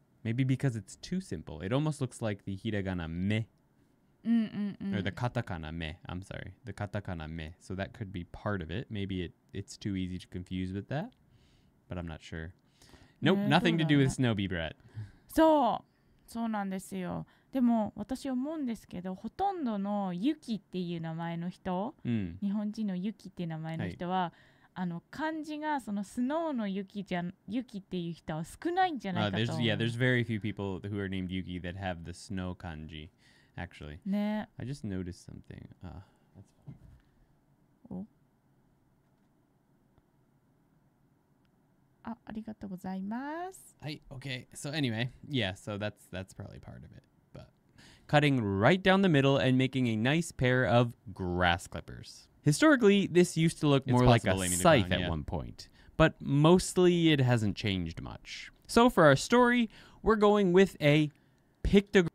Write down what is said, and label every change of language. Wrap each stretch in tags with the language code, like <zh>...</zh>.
<en>Maybe because it's too simple. It almost looks like the hiragana me, or the katakana me. I'm sorry, the katakana me. So that could be part of it. Maybe it's too easy to confuse with that, but I'm not sure. Nope, nothing to do with Snowy Brett.</en> <ja>そうなんですよ。でも私思うんですけど、ほとんどのユキっていう名前の人、日本人のユキっていう名前の人は、あの漢字がそのスノーのユキじゃユキっていう人は少ないんじゃないかと。</ja> <en>There's very few people who are named Yuki that have the snow kanji, actually.</en> <ja>ね。</ja> <en>I just noticed something.</en> <ja>お。ありがとうございます.</ja> <en>Okay. So anyway, yeah, so that's probably part of it. But cutting right down the middle and making a nice pair of grass clippers. Historically, this used to look more like a scythe at one point, but mostly it hasn't changed much. So for our story, we're going with a pictogram.</en>